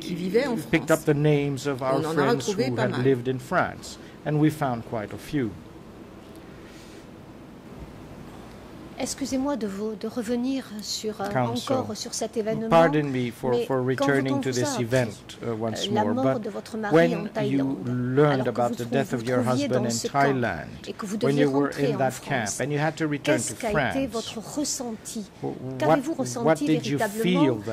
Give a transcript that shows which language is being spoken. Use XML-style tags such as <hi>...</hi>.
<en>he picked up the names of our friends who had lived in France. And we found quite a few.</en> <fr>Excusez-moi de vous de revenir sur encore sur cet événement.</fr> <en>Pardon me for returning to this event once more. But when you learned about the death of your husband in Thailand, when you were in that camp and you had to return to France,</en> <fr>qu'a été votre ressenti? Qu'avez-vous ressenti véritablement?</fr>